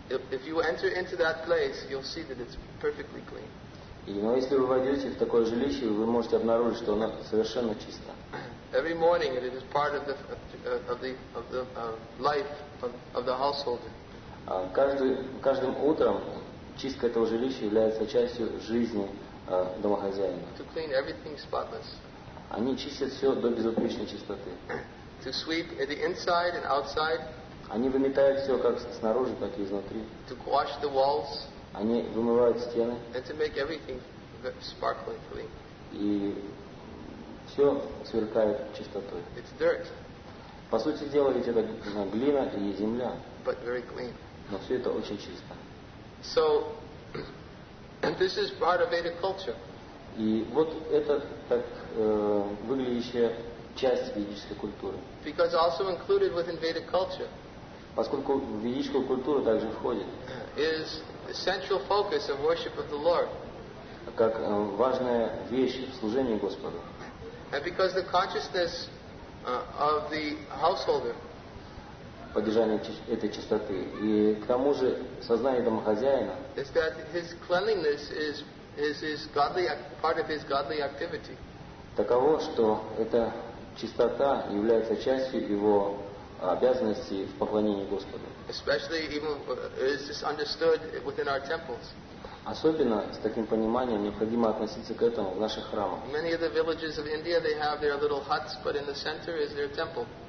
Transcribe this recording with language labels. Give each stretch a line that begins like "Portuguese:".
English: If you enter into that place, you'll see that it's perfectly clean.
Russian: Но если вы войдете в такое жилище, вы можете обнаружить, что оно совершенно чисто.
English: Every morning it is part of the life of the householder.
Russian: Каждым утром чистка этого жилища является частью жизни домохозяина.
English: To clean everything spotless.
Russian: Они чистят все до безупречной чистоты.
English: To sweep the inside and outside.
Russian: Они выметают все как снаружи, так и изнутри.
English: To wash the walls.
Russian: Они вымывают стены.
English: And to make everything sparkling clean.
Russian: И все сверкает чистотой.
English: It's dirt.
Russian: По сути дела, ведь это глина и земля.
English: But very clean.
Russian: Но все это очень чисто.
English: So, and this is part of Vedic culture.
Russian: И вот это так выглядящая часть ведической культуры.
English: Because also included within Vedic culture.
Russian: поскольку в ведическую культуру также входит,
English: is the central focus of worship of the Lord.
Russian: Как важная вещь в служении Господу.
English: And because the consciousness of the householder,
Russian: поддержание этой чистоты, и к тому же сознание домохозяина,
English: is that his cleanliness is godly, part of his godly activity.
Russian: Таково, что эта чистота является частью его обязанности в поклонении Господу.
English: Especially even is this understood within our temples.
Russian: Особенно с таким пониманием необходимо относиться к этому в наших храмах.
English: Many of the villages of India, they have their little huts, but in the center is their temple.